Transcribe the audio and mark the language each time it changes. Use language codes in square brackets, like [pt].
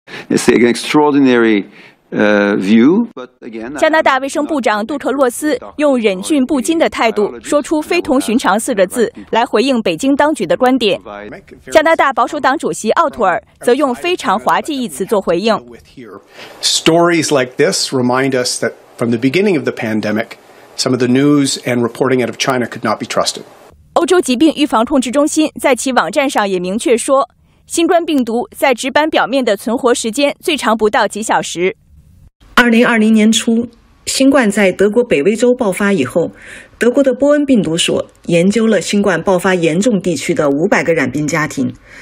[en] It's an extraordinary view, but again, [zh] 加拿大卫生部长杜特洛斯用忍俊不禁的态度说出非同寻常四个字来回应北京当局的观点。加拿大保守党主席奥图尔则用非常滑稽一词做回应。 [en] Stories like this remind us that from the beginning of the pandemic, some of the news and reporting out of China could not be trusted. [zh] 欧洲疾病预防控制中心在其网站上也明确说，新冠病毒在纸板表面的存活时间最长不到几小时。 2020年初，新冠在德国北威州爆发以后，德国的波恩病毒所研究了新冠爆发严重地区的500个染病家庭，